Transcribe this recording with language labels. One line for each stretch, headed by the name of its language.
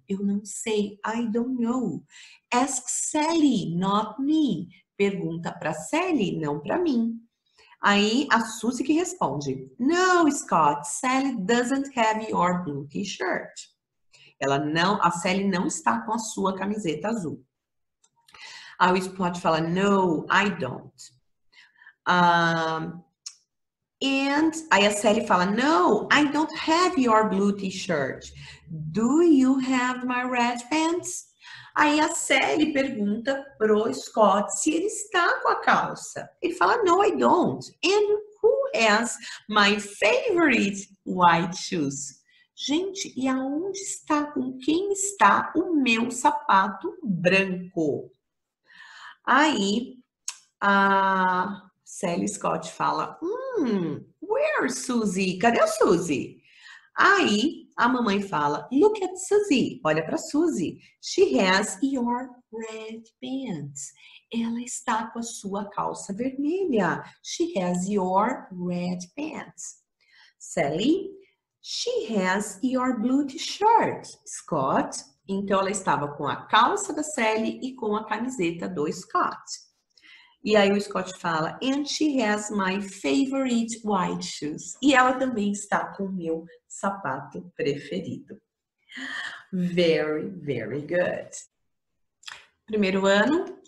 Portuguese: Eu não sei,
English: I don't know. Ask Sally, not me.
Portuguese: Pergunta para Sally, não para mim. Aí a Suzy que responde,
English: No, Scott, Sally doesn't have your blue t-shirt.
Portuguese: Ela não, a Sally não está com a sua camiseta azul. Aí o Scott fala,
English: No, I don't.
Portuguese: Aí a Sally fala,
English: No, I don't have your blue t-shirt. Do you have my red pants?
Portuguese: Aí a Sally pergunta pro Scott se ele está com a calça. Ele fala,
English: No, I don't. And who has my favorite white shoes?
Portuguese: Gente, e aonde está, com quem está o meu sapato branco? Aí a Sally Scott fala,
English: where Suzy?
Portuguese: Cadê a Suzy? Aí a mamãe fala,
English: look at Suzy,
Portuguese: olha para Suzy.
English: She has your red pants.
Portuguese: Ela está com a sua calça vermelha.
English: She has your red pants. Sally, she has your blue t-shirt, Scott.
Portuguese: Então ela estava com a calça da Sally e com a camiseta do Scott. E aí o Scott fala,
English: and she has my favorite white shoes.
Portuguese: E ela também está com o meu sapato preferido.
English: Very, very good.
Portuguese: Primeiro ano.